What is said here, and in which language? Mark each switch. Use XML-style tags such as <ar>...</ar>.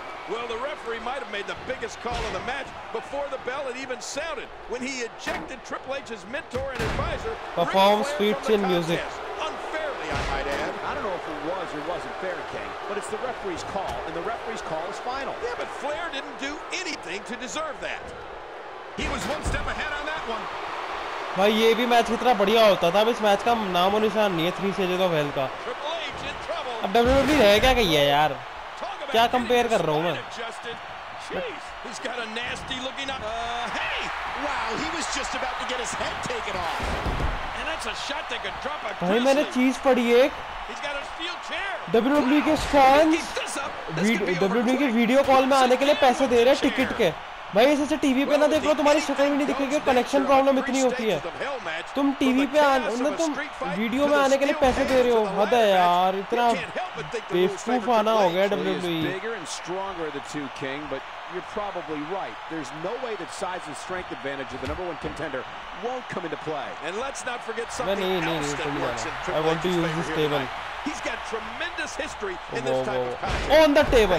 <en>Well, the referee might have made the biggest call of the match before the bell had even sounded when he ejected Triple H's mentor and advisor. Perform sweet chin music. Unfairly, I might add. I don't know if it was or wasn't fair, King, but it's the referee's call, and the referee's call is final. Yeah, but Flair didn't do anything to deserve that. He was one step ahead on that one.</en> <hi>भाई ये भी match कितना बढ़िया होता था अब इस match का नाम और निशान नहीं है थ्री स्टेजेस ऑफ हेल का अब WWE रह क्या गई है यार क्या कंपेयर कर रहा हूं मैं</hi> <en>He's got a nasty looking up. Hey! Wow, he was just about to get his head taken off. And that's a shot that could drop a grizzly.</en> <hi>भाई मैंने चीज पढ़ी एक</hi> <en>He's got a steel chair.</en> <hi>WWE के fans WWE के video call में आने के लिए पैसे दे रहे हैं टिकट के भाई ऐसे टीवी पे ना देख रहे हो तुम्हारी शक्ल भी नहीं दिखेगी कनेक्शन प्रॉब्लम इतनी होती है तुम टीवी पे आने तुम वीडियो में आने के लिए पैसे दे रहे हो हद है यार इतना बेवकूफ आना हो गया</hi> <en>WWE You're probably right. There's no way that size and strength advantage of the number one contender won't come into play. And let's not forget something else that works in I want to use this table. He's got tremendous history in this type of contest. On the table.</en>